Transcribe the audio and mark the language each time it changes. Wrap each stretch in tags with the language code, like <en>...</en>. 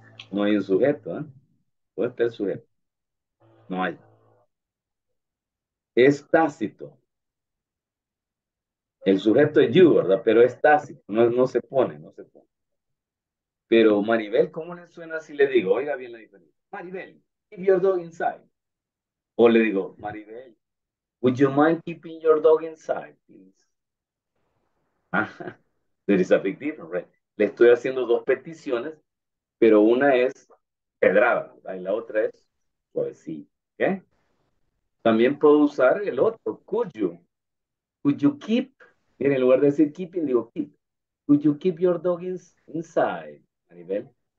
<es>No hay un sujeto, ¿eh? ¿Dónde está el sujeto? No hay. Es tácito. El sujeto es you, ¿verdad? Pero es tácito. No, no se pone, no se pone. Pero Maribel, ¿cómo le suena si le digo? Oiga bien la diferencia. Maribel,</es> <en>keep your dog inside.</en> <es>O le digo,</es> <en>Maribel, would you mind keeping your dog inside, please? There is a big difference, right?</en> <es>Le estoy haciendo dos peticiones, pero una es pedrada, ¿verdad? Y la otra es suavecita, ¿ok? También puedo usar el otro,</es> <en>could you? Could you keep?</en> <es>Miren, en lugar de decir</es> <en>keeping,</en> <es>digo</es> <en>keep. Could you keep your dog inside, Maribel?</en>